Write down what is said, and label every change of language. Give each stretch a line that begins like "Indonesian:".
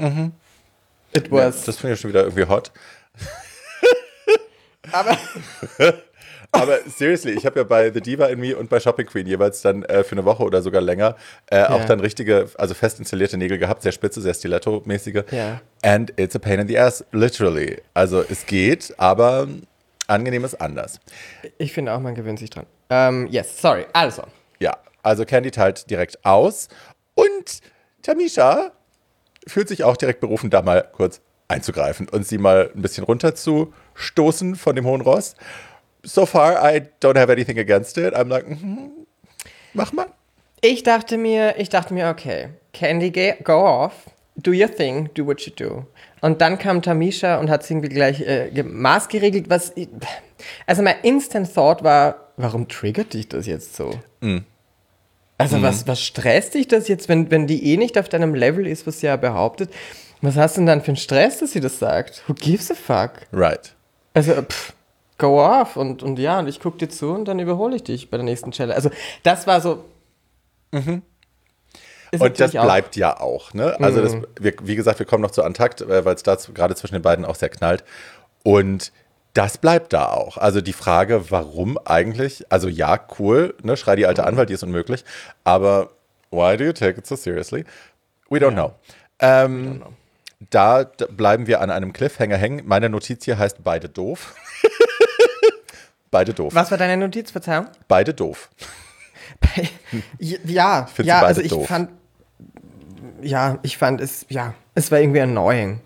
English: Mhm. It was.
German: Das finde ich schon wieder irgendwie hot. Aber seriously, ich habe ja bei The Diva in Me und bei Shopping Queen jeweils dann für eine Woche oder sogar länger auch dann richtige, also fest installierte Nägel gehabt, sehr spitze, sehr Stiletto-mäßige.
English: Yeah. And it's a pain in the ass, literally.
German: Also es geht, aber angenehm ist anders. Ich finde auch, man gewöhnt sich dran. Also. Ja, also Candy teilt direkt aus und Tamisha fühlt sich auch direkt berufen, da mal kurz einzugreifen und sie mal ein bisschen runterzustoßen von dem hohen Ross.
English: so far, I don't have anything against it. I'm like,
German: mach mal. Ich dachte mir,
English: okay, Candy, go off, do your thing, do what you do.
German: Und dann kam Tamisha und hat es irgendwie gleich maßgeregelt. Also mein
English: instant thought
German: war, warum triggert dich das jetzt so? Was stresst dich das jetzt, wenn die eh nicht auf deinem Level ist, was sie ja behauptet? Was hast du denn dann für einen Stress, dass sie das sagt?
English: Who gives a fuck? Right. Also, go off.
German: Und ja, und ich gucke dir zu und dann überhole ich dich bei der nächsten Challenge. Also, das war so. Und das bleibt ja auch, ne? Also, wie gesagt, wir kommen noch zu Antakt, weil es da gerade zwischen den beiden auch sehr knallt. Und das bleibt da auch. Also, die Frage, warum eigentlich? Also, ja, cool, ne? Schrei die alte an, weil die ist unmöglich.
English: Aber why do you take it so seriously? We don't know.
German: Da bleiben wir an einem Cliffhanger hängen. Meine Notiz hier heißt beide doof. Beide doof. Was war deine Notiz, Verzeihung? Beide doof. Ich fand es war irgendwie annoying.